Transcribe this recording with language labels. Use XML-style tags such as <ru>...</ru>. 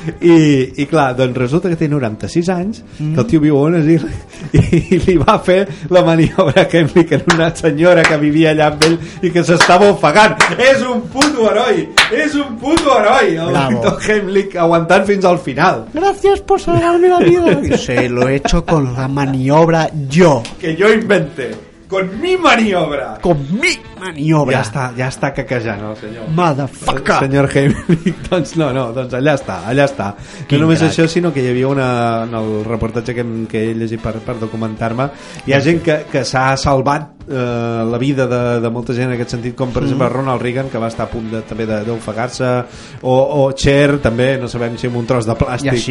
<ca>I clar, doncs resulta que té 96 anys, que el tio viu a un asil, i li va fer la maniobra que implica en una senyora que vivia allà amb ell i que s'estava ofegant. És un puto heroi! És un puto heroi! El doctor Heimlich aguantant fins al final. Gràcies per salvar-me la vida.</ca> <es>Se lo he hecho con la maniobra yo.</es> <ca>Que jo</ca> <es>inventé. Con mi maniobra. Con mi maniobra.</es> <ca>Ja està caquejant el senyor.</ca> <en>Motherfucker.</en> <ca>El senyor Heimlich, doncs no, doncs allà està. Quin no només crac. Això, sinó que hi havia una, en el reportatge que he llegit per documentar-me, hi ha gent que s'ha salvat la vida de molta gent en aquest sentit, com per exemple Ronald Reagan, que va estar a punt també d'ofegar-se, o Cher, també, no sabem si amb un tros de plàstic</ca>